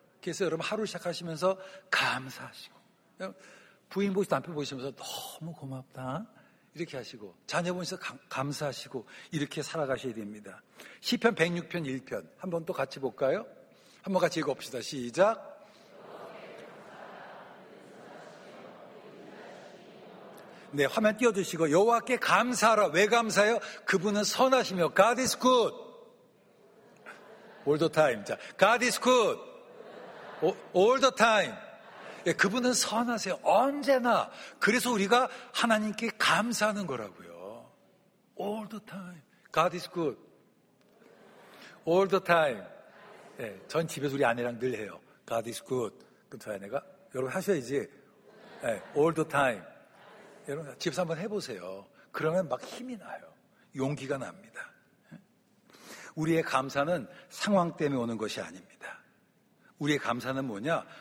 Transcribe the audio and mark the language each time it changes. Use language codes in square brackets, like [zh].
[ko] 그래서 여러분 하루 시작하시면서 감사하시고 부인 보시고 남편 보시면서 너무 고맙다 이렇게 하시고 자녀 보시면서 감사하시고 이렇게 살아가셔야 됩니다. 시편 106편 1편 한번 또 같이 볼까요? 한번 같이 읽어봅시다. 시작. 네, 화면 띄워주시고 여호와께 감사하라. 왜 감사해요? 그분은 선하시며 [en] God is good all the time. 자, God is good all the time. [ko] 예, 그분은 선하세요 언제나. 그래서 우리가 하나님께 감사하는 거라고요. [en] All the time God is good all the time. [ko] 예, 전 집에서 우리 아내랑 늘 해요. [en] God is good. [ko] 그럼 저희 아내가 여러분 하셔야지. [en] 예, all the time. [ko] 여러분 집에서 한번 해보세요. 그러면 막 힘이 나요. 용기가 납니다. 우리의 감사는 상황 때문에 오는 것이 아닙니다. 우리의 감사는 뭐냐?